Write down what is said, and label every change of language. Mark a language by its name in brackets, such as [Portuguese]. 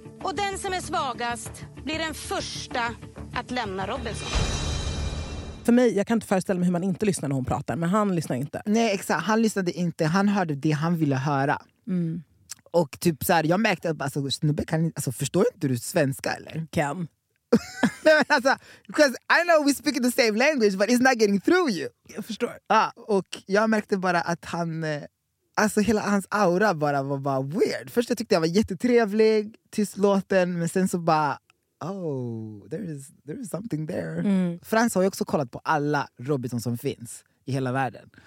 [Swedish] Och den som är svagast blir den första att lämna Robinson. För mig, jag kan inte föreställa mig hur man inte lyssnar när hon pratar, men han lyssnar inte. Nej, exakt. Han lyssnade inte. Han hörde det han ville höra. Mm. Och typ så här, jag märkte att alltså, snubbe, kan, alltså, förstår inte du svenska eller? Kan. [English] Alltså, because I know we speak the same language, but it's not getting through you. [Swedish] Jag förstår. Ah, och jag märkte bara att han, alltså hela hans aura bara var bara weird. Först jag tyckte jag var jättetrevlig tills låten, men sen så bara, [English] oh, there is something there. Mm. [Swedish] Frans har ju också kollat på alla Robinson som finns i hela världen.